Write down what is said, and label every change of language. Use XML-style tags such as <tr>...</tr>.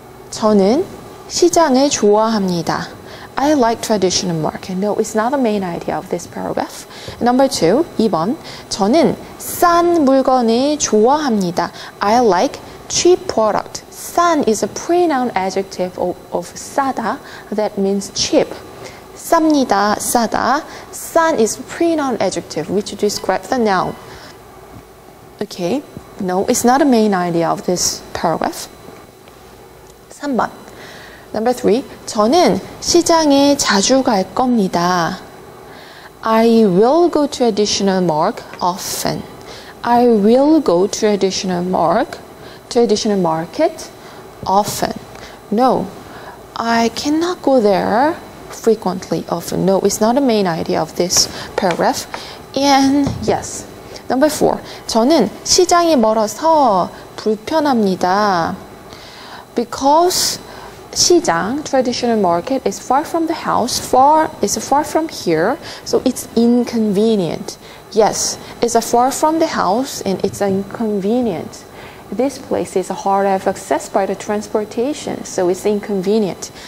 <ko>저는 시장을 좋아합니다.</ko> <en>I like traditional market. No, it's not the main idea of this paragraph. Number 2.</en> <ko>2번. 저는 싼 물건을 좋아합니다.</ko> <en>I like cheap product. 싼 is a pronoun adjective of 싸다. That means cheap.</en> <ko>쌉니다, 싸다.</ko> <en>싼 is pronoun adjective which describes the noun. Okay. No, it's not the main idea of this paragraph.</en> <ko>3번.</ko> <en>Number 3.</en> <ko>저는 시장에 자주 갈 겁니다.</ko> <en>I will go to traditional market often. I will go to traditional market often. No, I cannot go there frequently often. No, it's not the main idea of this paragraph. And yes. Number 4.</en> <ko>저는 시장이 멀어서 불편합니다.</ko> <en>Because 시장, traditional market, is far from the house, far is far from here, so it's inconvenient. Yes, it's far from the house and it's inconvenient. This place is hard of access by the transportation, so it's inconvenient.</en>